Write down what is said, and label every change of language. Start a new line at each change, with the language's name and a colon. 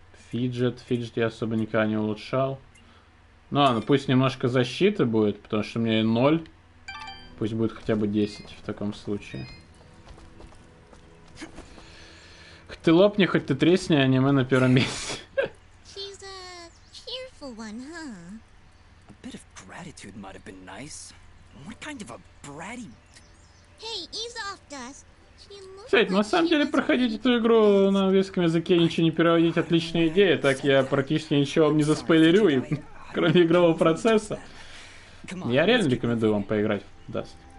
Russian: Фиджет я особо никогда не улучшал. Ну ладно, пусть немножко защиты будет, потому что у меня 0. Пусть будет хотя бы 10 в таком случае. Хоть ты лопни, хоть ты тресни, аниме на первом месте.
English: She's a cheerful one, huh? A bit of gratitude might have been nice. What kind of a bratty... Hey, ease off, Dust.
Russian: Кстати, на самом деле проходить эту игру на английском языке, ничего не переводить, отличная идея. Так я практически ничего вам не заспойлерю, и, кроме игрового процесса. Я реально рекомендую вам поиграть. Даст.